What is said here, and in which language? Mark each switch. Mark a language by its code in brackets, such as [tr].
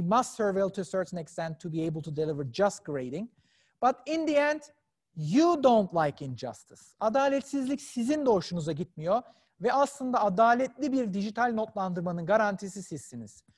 [en] We must surveil to a certain extent to be able to deliver just grading. But in the end, you don't like injustice. [tr] Adaletsizlik sizin de hoşunuza gitmiyor. Ve aslında adaletli bir dijital notlandırmanın garantisi sizsiniz.